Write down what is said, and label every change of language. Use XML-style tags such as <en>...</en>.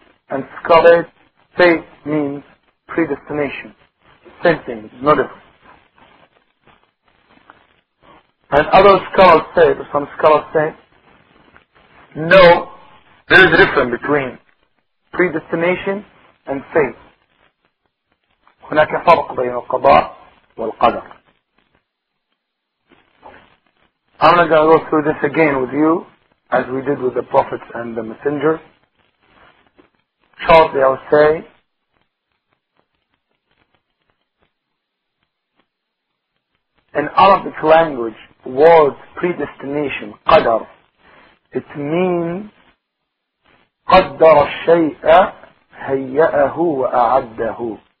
<en>And scholars, fate means predestination. Same thing, no difference. And some scholars say, no, there is a difference between predestination and fate.</en> <ar>هناك فرق بين القضاء والقدر.</ar> <en>I'm not going to go through this again with you, as we did with the prophets and the messengers. Shortly I'll say, in Arabic language, word predestination, qadar, it means</en> <ar>qaddar shay'a hayya'ahu wa a'addahu.</ar>